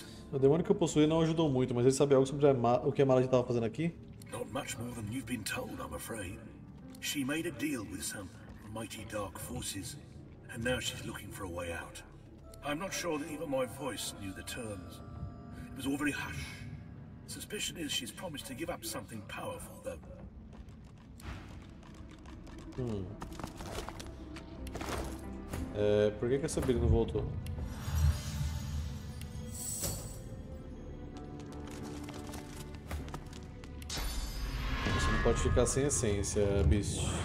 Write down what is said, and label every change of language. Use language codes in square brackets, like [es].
[pt] O demônio que eu possuí não ajudou muito, mas ele sabia algo sobre o que a Malady estava fazendo aqui? [en] Not much more than you've been told, I'm afraid. She made a deal with some mighty dark forces, and now she's looking for a way out. I'm not sure that even my voice knew the terms. It was all very hush. Suspicion is she's promised to give up something powerful, though. [pt] Por que essa briga não voltou? Você não pode ficar sem essência, bicho.